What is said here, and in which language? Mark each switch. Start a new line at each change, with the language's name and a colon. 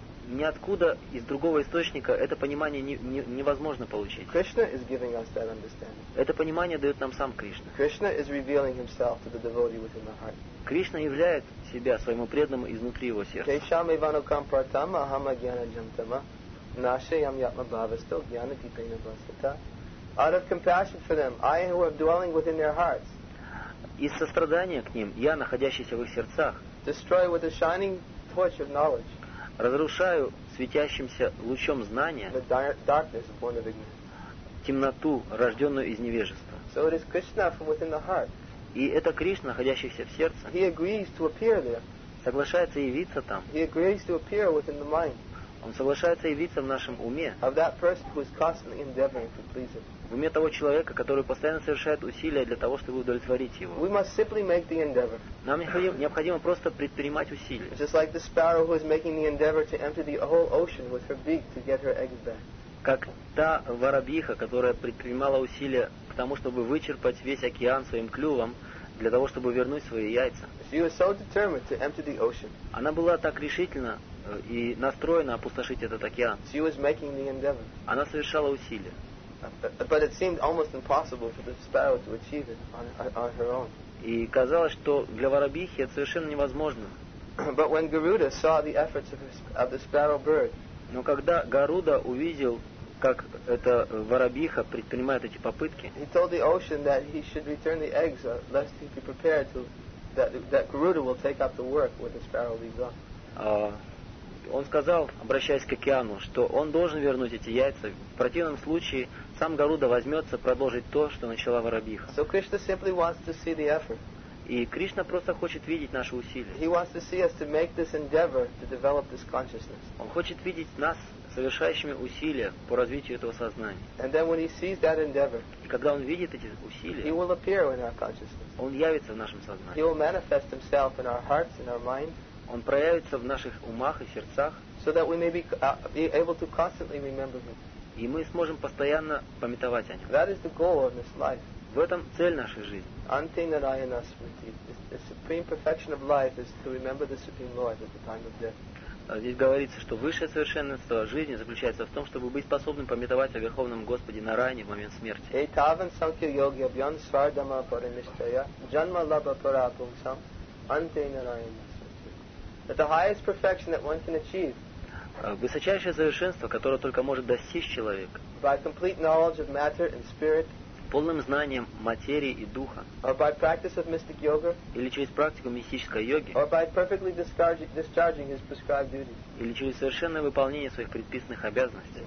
Russian: Ниоткуда из другого источника это понимание невозможно получить.
English: Krishna is giving us that understanding.
Russian: Это понимание дает нам сам Кришна.
English: Krishna is revealing himself to the devotee within the heart.
Russian: Кришна являет себя своему преданному изнутри его сердца.
Sanskrit: Тейшам иванукам пратам ахам агьяна джамтама нашеям ятма бхавасто гьяна дипейна бхасата.
English: Out of compassion for them, I who am dwelling within their hearts.
Russian: Из сострадания к ним, я, находящийся в их сердцах,
English: destroy with the shining torch of knowledge.
Russian: Разрушаю светящимся лучом знания
English: the darkness born of ignorance.
Russian: Темноту, рожденную из невежества.
English: So it is Krishna from within the heart.
Russian: И это Кришна, находящийся в сердце,
English: he agrees to appear there.
Russian: Соглашается явиться там.
English: He agrees to appear within the mind.
Russian: Он соглашается явиться в нашем уме.
English: Of that person who is constantly endeavoring to please him.
Russian: В уме того человека, который постоянно совершает усилия для того, чтобы удовлетворить его.
English: We must simply make the endeavor.
Russian: Нам необходимо просто предпринимать усилия.
English: Just like the sparrow who is making the endeavor to enter the whole ocean with her beak to get her eggs back.
Russian: Как та воробьиха, которая предпринимала усилия к тому, чтобы вычерпать весь океан своим клювом, для того, чтобы вернуть свои яйца.
English: She was so determined to empty the ocean.
Russian: Она была так решительна и настроена опустошить этот океан.
English: She was making the endeavor.
Russian: Она совершала усилия.
English: But it seemed almost impossible for the sparrow to achieve it on her own.
Russian: И казалось, что для воробьихи это совершенно невозможно.
English: But when Garuda saw the efforts of the sparrow bird,
Russian: но когда Гаруда увидел, как эта воробьиха предпринимает эти попытки,
English: he told the ocean that he should return the eggs lest he be prepared to that Garuda will take up the work when the sparrow leaves off.
Russian: Он сказал, обращаясь к океану, что он должен вернуть эти яйца. В противном случае сам Гаруда возьмется продолжить то, что начала воробьиха.
English: So Krishna simply wants to see the effort.
Russian: И Кришна просто хочет видеть наши усилия.
English: He wants to see us to make this endeavor to develop this consciousness.
Russian: Он хочет видеть нас совершающими усилия по развитию этого сознания.
English: And then when he sees that endeavor,
Russian: и когда он видит эти усилия,
English: he will appear in our consciousness.
Russian: Он явится в нашем сознании.
English: He will manifest himself in our hearts, in our mind.
Russian: Он проявится в наших умах и сердцах,
English: so that we may be able to constantly remember him.
Russian: И мы сможем постоянно памятовать о нем.
English: That is the goal of this life.
Russian: В этом цель нашей жизни.
Sanskrit: Antinarayana smriti.
English: The supreme perfection of life is to remember the supreme Lord at the time of death.
Russian: Здесь говорится, что высшее совершенство жизни заключается в том, чтобы быть способным памятовать о Верховном Господе на Райне в момент смерти.
Sanskrit: Этаван санкхья йоги абьян свардама паринишчая джанма лаба парапумсам антинарайана.
English: That the highest perfection that one can achieve,
Russian: высочайшее совершенство, которое только может достичь человек,
English: by complete knowledge of matter and spirit,
Russian: полным знанием материи и духа,
English: or by practice of mystic yoga,
Russian: или через практику мистической йоги,
English: or by perfectly discharging his prescribed duties,
Russian: или через совершенное выполнение своих предписанных обязанностей,